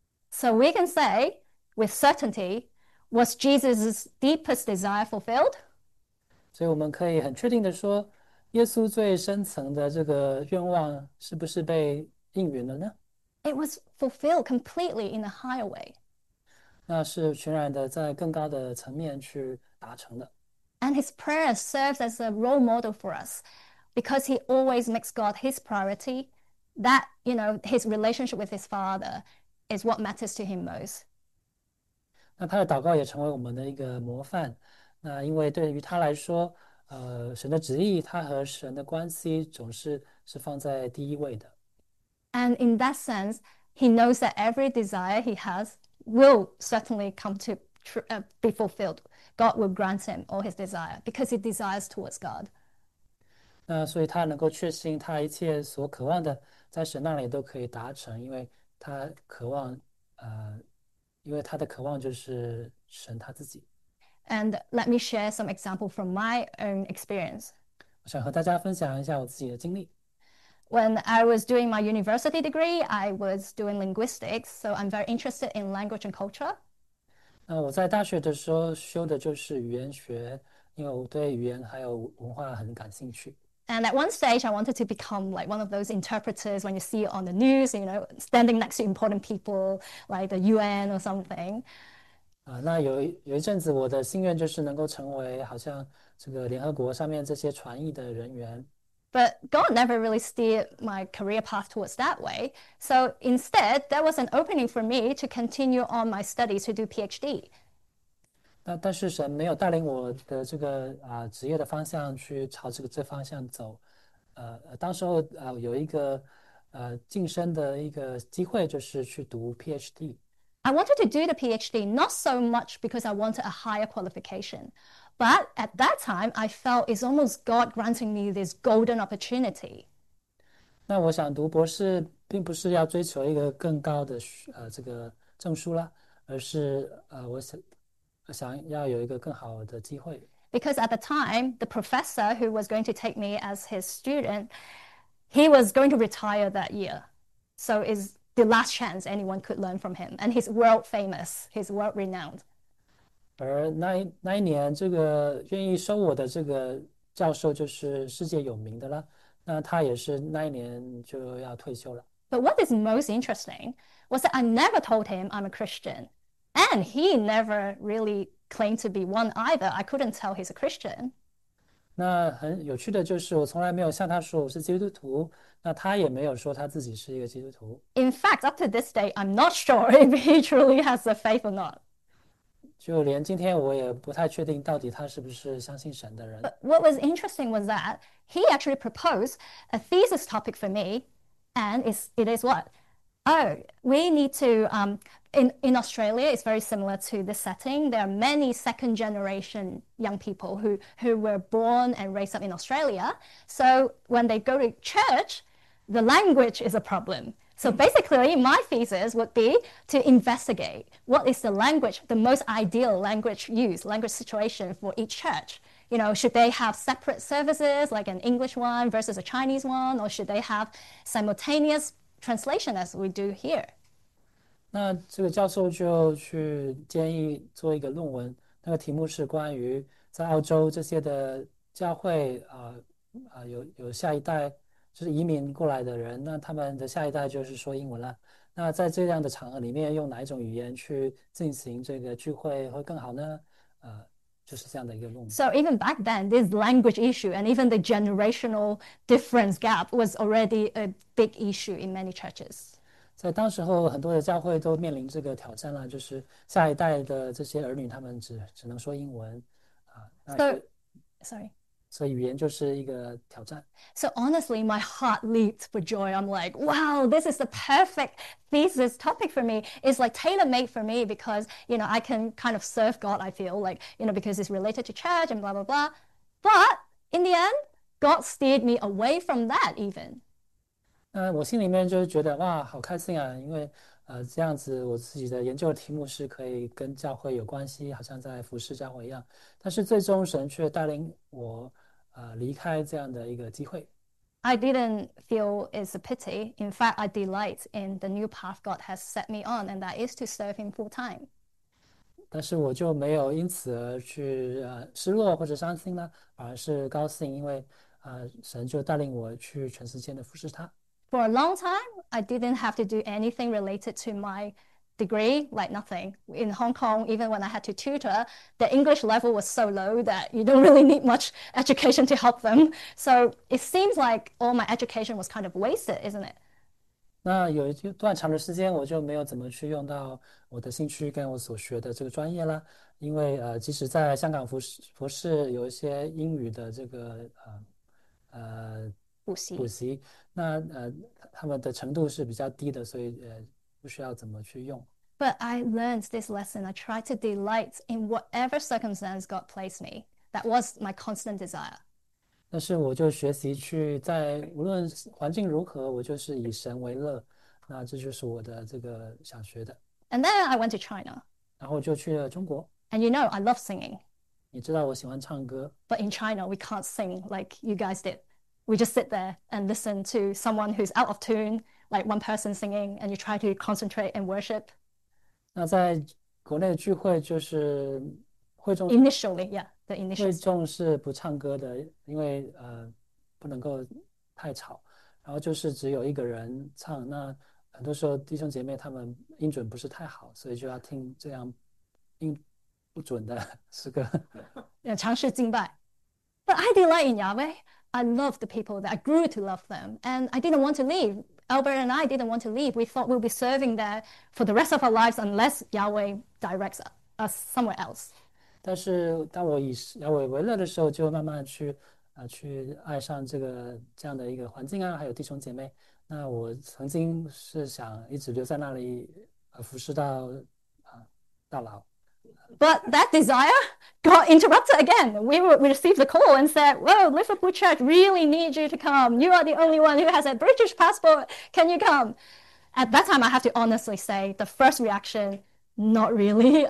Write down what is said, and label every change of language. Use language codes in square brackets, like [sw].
[en] So we can say with certainty, was Jesus' deepest desire fulfilled? [zh] 所以我们可以很确定的说，耶稣最深层的这个愿望是不是被应允了呢？ [en] It was fulfilled completely in a higher way. [zh] 那是全然的在更高的层面去达成的。 [en] And his prayer serves as a role model for us because he always makes God his priority, that, his relationship with his father is what matters to him most. [zh] 那他的祷告也成为我们的一个模范。那因为对于他来说，神的旨意，他和神的关系总是放在第一位的。 [en] And in that sense, he knows that every desire he has will certainly come to be fulfilled. God will grant him all his desire because he desires towards God. [zh] 那所以他能够确信，他一切所渴望的，在神那里都可以达成，因为他渴望，因为他的渴望就是神他自己。 [en] And let me share some examples from my own experience. [zh] 我想和大家分享一下我自己的经历。 [en] When I was doing my university degree, I was doing linguistics, so I'm very interested in language and culture. [zh] 那我在大学的时候修的就是语言学，因为我对语言还有文化很感兴趣。 [en] And at one stage, I wanted to become like one of those interpreters when you see it on the news, standing next to important people like the UN or something. [zh] 那有一阵子，我的心愿就是能够成为好像这个联合国上面这些传译的人员。 [en] But God never really steered my career path towards that way. So instead, there was an opening for me to continue on my study to do PhD. [zh] 但是神没有带领我的这个职业的方向去朝这方向走。当时候有一个晋升的一个机会，就是去读 PhD。 [en] I wanted to do the PhD not so much because I wanted a higher qualification, but at that time I felt it's almost God granting me this golden opportunity. [zh] 那我想读博士，并不是要追求一个更高的这个证书啦，而是我想要有一个更好的机会。 [en] Because at the time, the professor who was going to take me as his student, he was going to retire that year. So it's the last chance anyone could learn from him, and he's world famous, he's world renowned. [zh] 而那一年，这个愿意收我的这个教授就是世界有名的了。那他也是那一年就要退休了。 [en] But what is most interesting was that I never told him I'm a Christian, and he never really claimed to be one either. I couldn't tell he's a Christian. [zh] 那很有趣的就是，我从来没有向他说我是基督徒，那他也没有说他自己是一个基督徒。 [en] In fact, up to this day, I'm not sure if he truly has the faith or not. [zh] 就连今天我也不太确定到底他是不是相信神的人。 [en] But what was interesting was that he actually proposed a thesis topic for me, and it is what? Oh, we need to, in Australia, it's very similar to this setting. There are many second generation young people who were born and raised up in Australia. So when they go to church, the language is a problem. So basically, my thesis would be to investigate what is the language, the most ideal language use, language situation for each church. Should they have separate services, like an English one versus a Chinese one, or should they have simultaneous translation as we do here? [zh] 那这个教授就去建议做一个论文，那个题目是关于在澳洲这些的教会有下一代，就是移民过来的人，那他们的下一代就是说英文了。那在这样的场合里面，用哪一种语言去进行这个聚会会更好呢？就是这样的一个论文。 [en] So even back then, this language issue and even the generational difference gap was already a big issue in many churches. [zh] 在当时候，很多的教会都面临这个挑战了，就是下一代的这些儿女，他们只能说英文， [en] So, sorry. [zh] 所以语言就是一个挑战。 [en] So honestly, my heart leaped for joy. I'm like, wow, this is the perfect thesis topic for me. It's like tailor-made for me because, you know, I can kind of serve God, I feel like, you know, because it's related to church and blah, blah, blah. But in the end, God steered me away from that even. [zh] 我心里面就是觉得哇，好开心啊！因为这样子，我自己的研究题目是可以跟教会有关系，好像在服侍教会一样。但是最终神却带领我离开这样的一个机会。 [en] I didn't feel it's a pity. In fact, I delight in the new path God has set me on, and that is to serve Him full time. [zh] 但是我就没有因此而去失落或者伤心呢，而是高兴，因为神就带领我去全世界的服侍他。 [en] For a long time, I didn't have to do anything related to my degree, like nothing. In Hong Kong, even when I had to tutor, the English level was so low that you don't really need much education to help them. So it seems like all my education was kind of wasted, isn't it? [zh] 那有一段长的时间，我就没有怎么去用到我的兴趣跟我所学的这个专业了，因为即使在香港服侍有一些英语的这个补习。习，那他们的程度是比较低的，所以不需要怎么去用。 [en] But I learned this lesson. I tried to delight in whatever circumstance God placed me. That was my constant desire. [zh] 但是我就学习去在无论环境如何，我就是以神为乐，那这就是我的这个想学的。 [en] And then I went to China. [zh] 然后就去了中国。 [en] And you know, I love singing. [zh] 你知道我喜欢唱歌。 [en] But in China, we can't sing like you guys did. We just sit there and listen to someone who's out of tune, like one person singing, and you try to concentrate and worship. [zh] 那在国内聚会就是会众。 [en] Initially, yeah, the [zh] 会 [en] initials. [zh] 众是不唱歌的，因为不能够太吵，然后就是只有一个人唱，那很多时候弟兄姐妹他们音准不是太好，所以就要听这样音不准的诗歌。 [en] Yeah, [zh] 尝试敬拜。 [en] But I delight in Yahweh. I love the people that I grew to love them. And I didn't want to leave. Albert and I didn't want to leave. We thought we'll be serving there for the rest of our lives unless Yahweh directs us somewhere else. [zh] 但是，当我以要我为乐的时候，就慢慢去爱上这样的一个环境啊，还有弟兄姐妹。那我曾经是想一直留在那里，服侍到老。 [en] But that desire got interrupted again. We received the call and said, "Whoa, Liverpool Church really needs you to come. You are the only one who has a British passport. Can you come?" At that time, I have to honestly say the first reaction, not really.